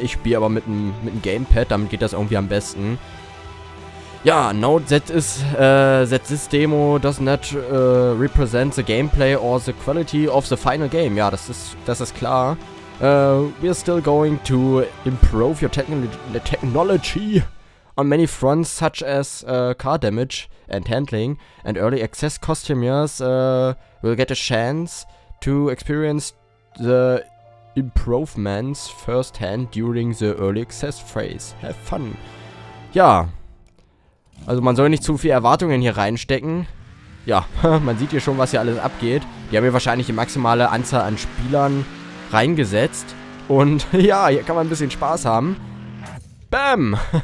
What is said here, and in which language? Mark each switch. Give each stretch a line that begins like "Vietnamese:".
German: Ich spiele aber mit einem Gamepad, damit geht das irgendwie am besten.
English: Ja, note that this demo does not represent the gameplay or the quality of the final game.
German: Ja, das ist klar.
English: We are still going to improve your technology on many fronts, such as car damage and handling, and early access customers will get a chance to experience the improvements firsthand during the early access phase. Have fun. Ja.
German: Also man soll nicht zu viel Erwartungen hier reinstecken. Ja, man sieht hier schon, was hier alles abgeht. Die haben hier wahrscheinlich die maximale Anzahl an Spielern reingesetzt. Und ja, hier kann man ein bisschen Spaß haben. Bam!